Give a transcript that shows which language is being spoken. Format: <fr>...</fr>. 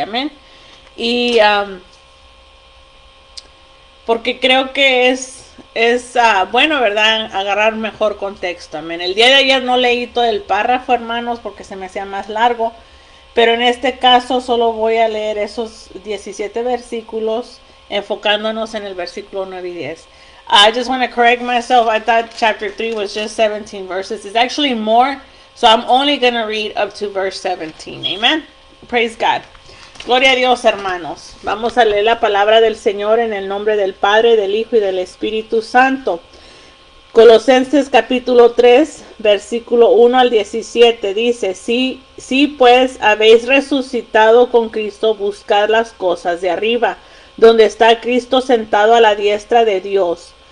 <es>Amén. Y porque creo que es bueno, ¿verdad? Agarrar mejor contexto. Amén. El día de ayer no leí todo el párrafo, hermanos, porque se me hacía más largo. Pero en este caso solo voy a leer esos 17 versículos, enfocándonos en el versículo 9 y 10.</es> <en>I just want to correct myself. I thought chapter 3 was just 17 verses. It's actually more, so I'm only going to read up to verse 17.</en> <es>Amen.</es> <en>Praise God.</en> <es>Gloria a Dios, hermanos. Vamos a leer la palabra del Señor en el nombre del Padre, del Hijo y del Espíritu Santo. Colosenses capítulo 3, versículo 1 al 17 dice, sí pues habéis resucitado con Cristo, buscad las cosas de arriba, donde está Cristo sentado a la diestra de Dios.</es>